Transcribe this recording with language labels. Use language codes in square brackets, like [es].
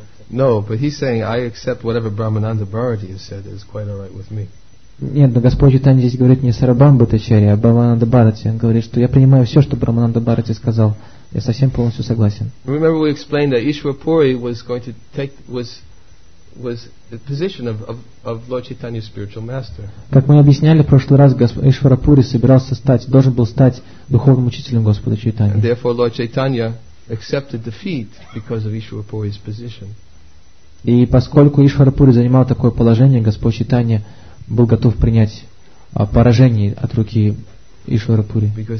[en] No, but he's saying I accept whatever Brahmananda Bharati has said is quite all right with me. [ru] Нет, но Господь Читанья здесь говорит не Сарабам Бхаттачарья, а Брамананда Бхарати. Он говорит, что я принимаю все, что Брамананда Бхарати сказал. Я совсем полностью согласен. [en] Remember we explained that Ishwarpuri was going to take was the position of Lord Chaitanya's spiritual master. [ru] Как мы объясняли в прошлый раз, Ишварапури собирался стать, должен был стать духовным учителем Господа Чайтаньи. [en] Therefore Lord Chaitanya accepted defeat because of Ishwarpuri's position. [ru] И поскольку Ишварапури занимал такое положение, Господь Чайтанья был готов принять поражение от руки Ишварапури.